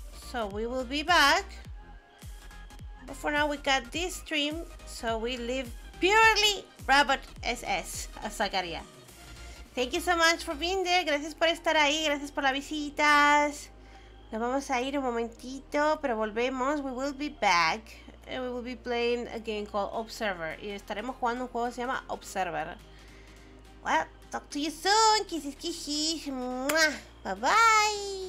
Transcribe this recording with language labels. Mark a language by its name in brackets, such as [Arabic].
[English] So we will be back. But for now, we got this stream, so we leave purely Robert SS, a Zacharia. Thank you so much for being there. [Spanish] Gracias por estar ahí. Gracias por las visitas. Nos vamos a ir un momentito, pero volvemos. [English] We will be back. And we will be playing a game called Observer. [Spanish] Y estaremos jugando un juego que se llama Observer. [English] Well, talk to you soon. Kisses, kisses. Bye bye.